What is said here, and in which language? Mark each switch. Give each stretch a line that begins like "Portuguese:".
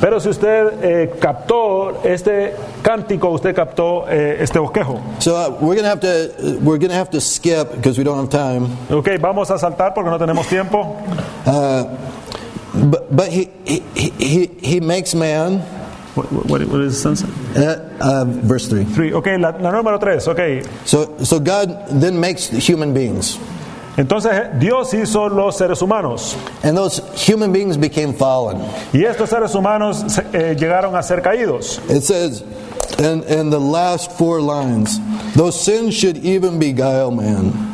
Spanish: Pero si usted captó este cántico, usted captó este bosquejo.
English: So we're going to have to skip because we don't have time.
Spanish: Okay, vamos a saltar porque no tenemos tiempo.
English: But he makes man. What is the sense? Verse 3.
Spanish: 3. Okay, la número 3. Okay.
English: So God then makes human beings.
Spanish: Entonces Dios hizo los seres humanos.
English: And those human beings became fallen.
Spanish: Y estos seres humanos llegaron a ser caídos.
English: It says in the last four lines, though sin should even beguile man.